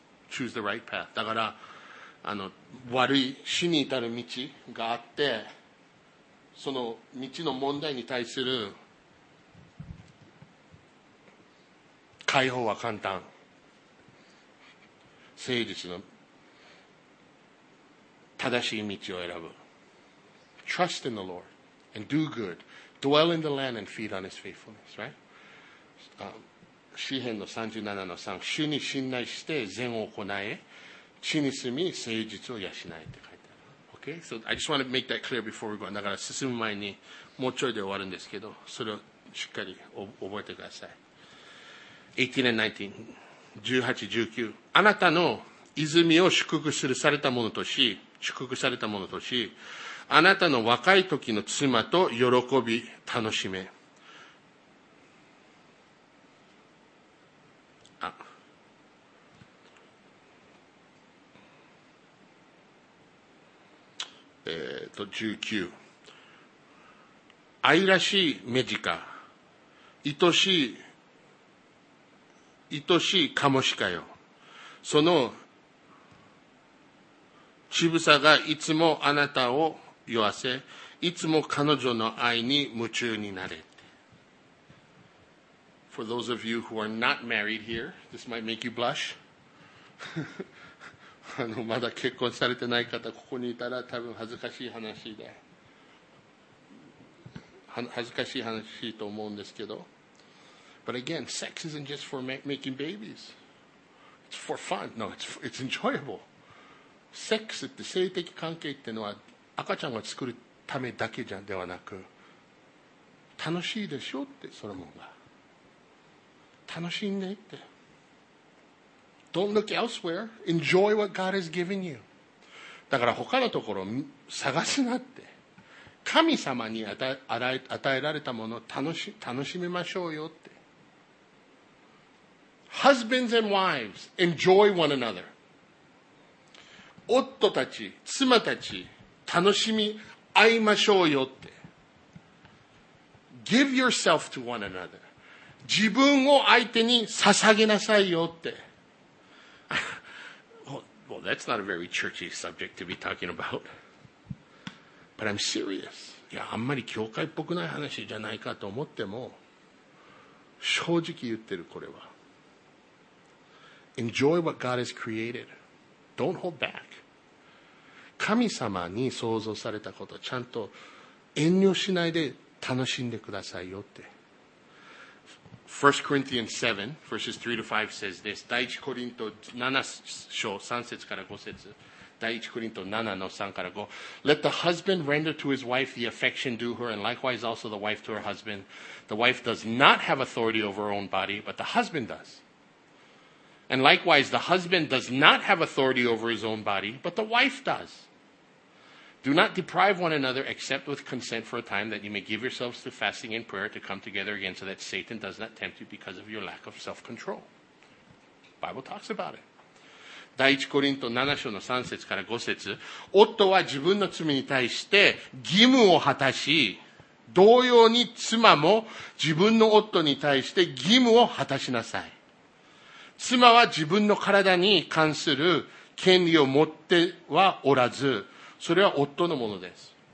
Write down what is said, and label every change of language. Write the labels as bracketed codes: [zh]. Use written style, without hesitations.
[en] Choose the right path. [ja] だから、あの、悪い死に至る道があって、その道の問題に対する解放は簡単。誠実の正しい道を選ぶ。 [en] Trust in the Lord and do good. Dwell in the land and feed on his faithfulness, right? [ja] 詩編の37の3、主に信頼して善を行え、地に住み誠実を養えって書いてある。 [en] Okay? So I just want to make that clear before we go. [ja] だから進む前にもうちょいで終わるんですけど、それをしっかり覚えてください。 [en] 18 and 19. [ja] 18, 19. あなたの泉を祝福するされたものとし、祝福されたものとし、あなたの若い時の妻と喜び楽しめ。あ、19。愛らしい目力、愛しいカモシカよ。そのちぶさがいつもあなたを酔わせ、いつも彼女の愛に夢中になれ。 [en] For those of you who are not married here, this might make you blush. [ja] あの、まだ結婚されてない方、ここにいたら多分恥ずかしい話で。恥ずかしい話と思うんですけど。 [en] But again, sex isn't just for making babies. It's for fun. No, it's enjoyable. [ja] Sex って性的関係ってのは赤ちゃんが作るためだけではなく、楽しいでしょって、ソロモンが。楽しんでって。 [en] Don't look elsewhere. Enjoy what God has given you. [ja] だから他のところ探すなって。神様に与えられたものを楽しめましょうよって。 [en] Husbands and wives, enjoy one another. [ja] 夫たち、妻たち、楽しみ合いましょうよって。 [en] Give yourself to one another. [ja] 自分を相手に捧げなさいよって。 [en] well, that's not a very churchy subject to be talking about. But I'm serious. [ja] いや、あんまり教会っぽくない話じゃないかと思っても、正直言ってる、これは。 [en] Enjoy what God has created. Don't hold back. [ja] 神様に創造されたことをちゃんと遠慮しないで楽しんでくださいよって。 [en] 1 Corinthians 7, verses 3 to 5 says this. [ja] 第1コリント7章3節から5節。第1コリント7の3から5。 [en] Let the husband render to his wife the affection due her, and likewise also the wife to her husband. The wife does not have authority over her own body, but the husband does. And likewise, the husband does not have authority over his own body, but the wife does. Do not deprive one another except with consent for a time that you may give yourselves to fasting and prayer to come together again so that Satan does not tempt you because of your lack of self-control. The Bible talks about it. [ja] 第1コリント7章の3節から5節。夫は自分の罪に対して義務を果たし、同様に妻も自分の夫に対して義務を果たしなさい。妻は自分の体に関する権利を持ってはおらず、それは夫のものです。